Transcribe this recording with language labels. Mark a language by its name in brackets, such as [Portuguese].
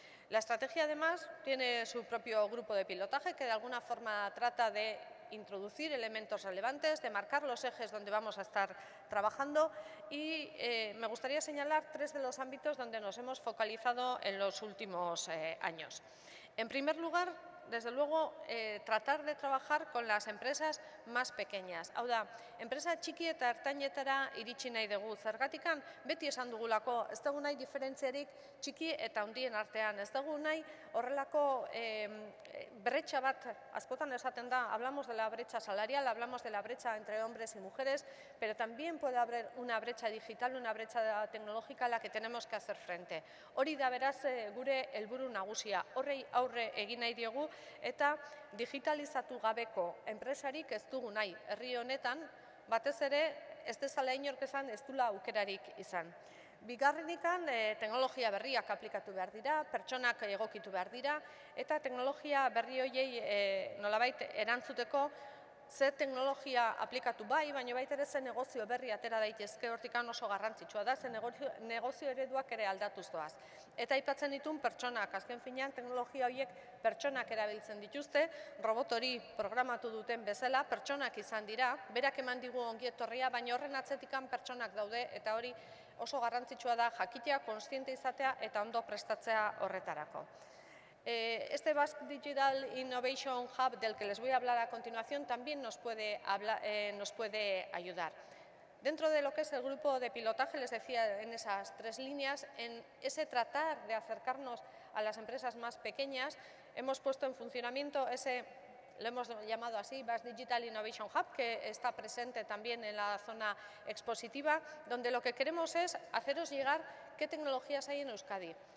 [Spanish] La estrategia, además, tiene su propio grupo de pilotaje que, de alguna forma, trata de introducir elementos relevantes, de marcar los ejes donde vamos a estar trabajando y me gustaría señalar tres de los ámbitos donde nos hemos focalizado en los últimos años. En primer lugar, desde luego, tratar de trabajar con las empresas más pequeñas. [Basque] Hau da, empresa txiki eta ertainetara iritsi nahi dugu. Zergatikan, beti esan dugulako, ez dugu nahi diferentziarik txiki eta hundien artean. Ez dugu nahi horrelako brecha bat, askotan esaten da, [Spanish] hablamos de la brecha salarial, hablamos de la brecha entre hombres y mujeres, pero también puede haber una brecha digital, una brecha tecnológica a la que tenemos que hacer frente. [Basque] Hori da beraz gure helburu nagusia, horrei aurre egin nahi diogu, eta digitalizatu gabeko enpresarik ez dugu nahi, herri honetan, batez ere, ez dezala inork esan, ez dula aukerarik izan. Bigarrenikan, teknologia berriak aplikatu behar dira, pertsonak egokitu behar dira, eta teknologia berri horiei nolabait erantzuteko, ze teknologia aplikatu bai, baina baita ere ze negozio berri atera daitezke hortikan oso garrantzitsua da, ze negozio ereduak ere aldatuz doaz. Eta aipatzen ditun pertsonak, azken finean teknologia horiek pertsonak erabiltzen dituzte, robot hori programatu duten bezala, pertsonak izan dira, berak eman digu ongietorria, baina horren atzetikan pertsonak daude eta hori oso garrantzitsua da jakitea, kontziente izatea eta ondo prestatzea horretarako. [Spanish] Este Basque Digital Innovation Hub, del que les voy a hablar a continuación, también nos puede ayudar. Dentro de lo que es el grupo de pilotaje, les decía en esas tres líneas, en ese tratar de acercarnos a las empresas más pequeñas, hemos puesto en funcionamiento ese, lo hemos llamado así, Basque Digital Innovation Hub, que está presente también en la zona expositiva, donde lo que queremos es haceros llegar qué tecnologías hay en Euskadi,